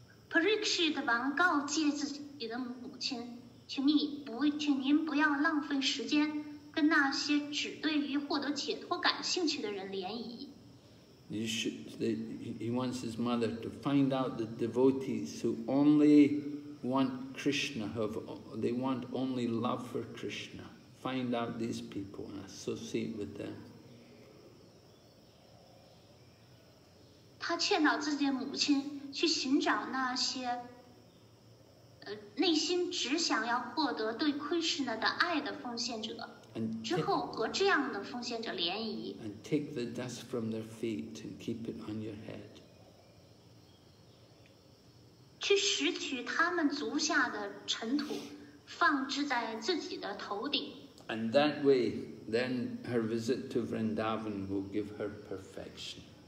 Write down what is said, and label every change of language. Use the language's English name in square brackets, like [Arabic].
[Chinese] Parikshit 王告诫自己的母亲，请您不要浪费时间跟那些只对于获得解脱感兴趣的人联谊。 [English] He wants his mother to find out the devotees who only want Krishna, they want only love for Krishna. Find out these people and associate with them. [Chinese] 他劝导自己的母亲去寻找那些，内心只想要获得对 Krishna 的爱的奉献者，之后和这样的奉献者联谊。 [English] And take the dust from their feet and keep it on your head. [Chinese] 去拾取他们足下的尘土，放置在自己的头顶。 [English] And that way, then her visit to Vrindavan will give her perfection.